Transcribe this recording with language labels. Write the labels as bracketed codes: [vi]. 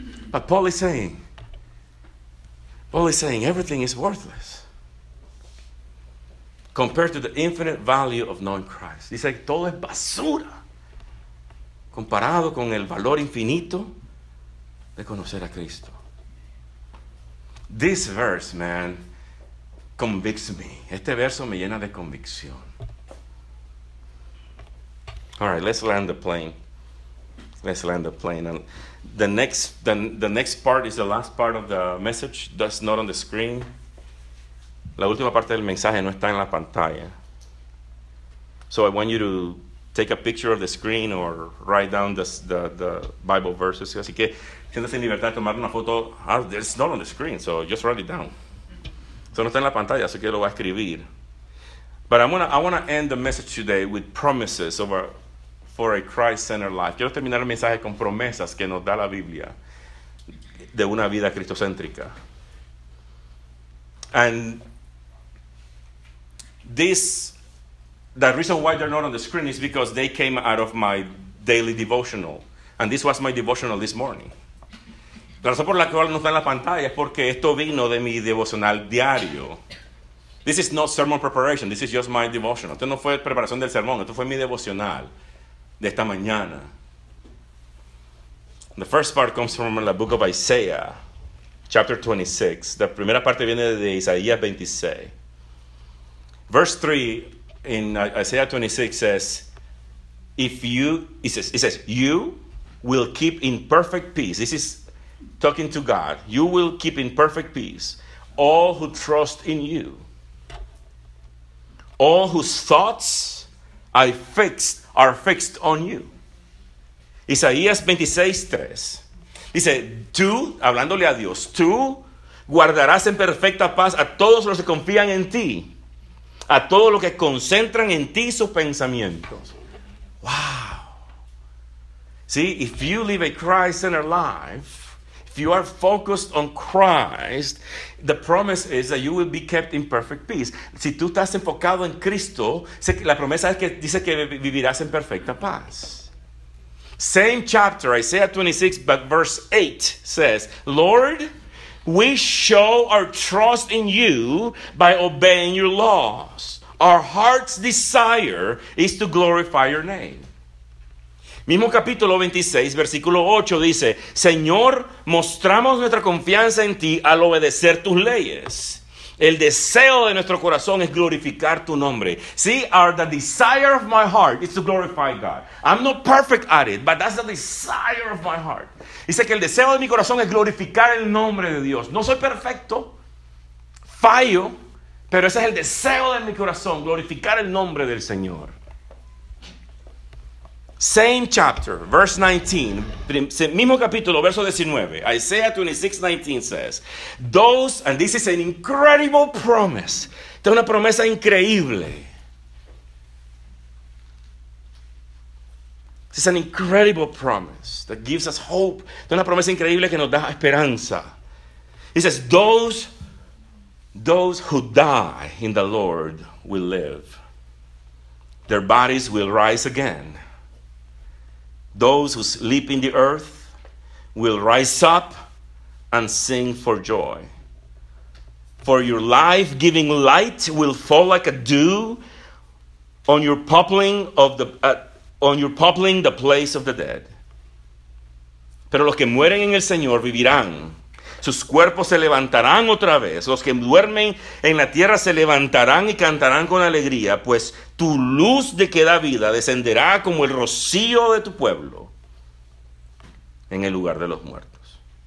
[en] But Paul is saying, everything is worthless compared to the infinite value of knowing Christ. [es] Dice que todo es basura comparado con el valor infinito de conocer a Cristo. [en] This verse, man, convicts me. [es] Este verso me llena de convicción. [en] All right, let's land the plane. Let's land the plane. And the next part is the last part of the message. That's not on the screen. [es] La última parte del mensaje no está en la pantalla. [en] So I want you to take a picture of the screen or write down the Bible verses. [es] Así que siéntase en libertad de tomar una foto. [en] Ah, it's not on the screen, so just write it down. [es] So no está en la pantalla, así que lo voy a escribir. [en] But I want to end the message today with promises of for a Christ-centered life. [es] Quiero terminar el mensaje con promesas que nos da la Biblia de una vida cristocéntrica. [en] And this, the reason why they're not on the screen is because they came out of my daily devotional. And this was my devotional this morning. [es] La razón por la cual no está en la pantalla es porque esto vino de mi devocional diario. [en] This is not sermon preparation. This is just my devotional. [es] Esto no fue preparación del sermón. Esto fue mi devocional de esta mañana. [en] The first part comes from the book of Isaiah, chapter 26. [es] La primera parte viene de Isaías 26. [en] Verse 3 in Isaiah 26 says, it says, you will keep in perfect peace. This is talking to God. You will keep in perfect peace all who trust in you, all whose thoughts are fixed on you. [es] Isaías 26:3 dice, tú, hablándole a Dios, tú guardarás en perfecta paz a todos los que confían en ti, a todos los que concentran en ti sus pensamientos. [en] Wow. See, if you live a Christ-centered life, if you are focused on Christ, the promise is that you will be kept in perfect peace. [es] Si tú estás enfocado en Cristo, la promesa es que dice que vivirás en perfecta paz. [en] Same chapter, Isaiah 26, but verse 8 says, Lord, we show our trust in you by obeying your laws. Our heart's desire is to glorify your name. [es] Mismo capítulo 26, versículo 8 dice, Señor, mostramos nuestra confianza en ti al obedecer tus leyes. El deseo de nuestro corazón es glorificar tu nombre. [en] See, the desire of my heart is to glorify God. I'm not perfect at it, but that's the desire of my heart. [es] Dice que el deseo de mi corazón es glorificar el nombre de Dios. No soy perfecto, fallo, pero ese es el deseo de mi corazón, glorificar el nombre del Señor. [en] Same chapter, verse 19, [es] mismo capítulo, verso 19, [en] Isaiah 26, 19 says, those, and this is an incredible promise, [es] esta es una promesa increíble. [en] This is an incredible promise that gives us hope. [es] Esta es una promesa increíble que nos da esperanza. [en] It says, those who die in the Lord will live. Their bodies will rise again. Those who sleep in the earth will rise up and sing for joy. For your life-giving light will fall like a dew on your poppling of the the place of the dead. [es] Pero los que mueren en el Señor vivirán. Sus cuerpos se levantarán otra vez. Los que duermen en la tierra se levantarán y cantarán con alegría, pues tu luz de que da vida descenderá como el rocío de tu pueblo en el lugar de los muertos.